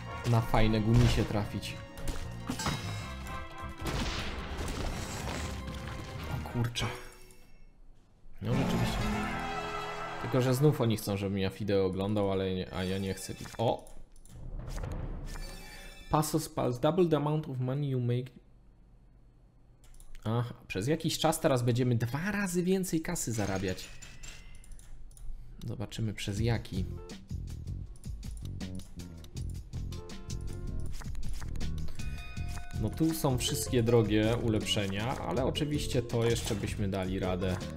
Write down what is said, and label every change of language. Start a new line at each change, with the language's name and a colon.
Polish: na fajne gumisie trafić. O kurczę. No rzeczywiście. Tylko że znów oni chcą, żebym ja Fideo oglądał, ale nie, a ja nie chcę. O!
English: Passos pass, double the amount of money you make.
Polish: Aha, przez jakiś czas teraz będziemy dwa razy więcej kasy zarabiać. Zobaczymy przez jaki. No tu są wszystkie drogie ulepszenia, ale oczywiście to jeszcze byśmy dali radę.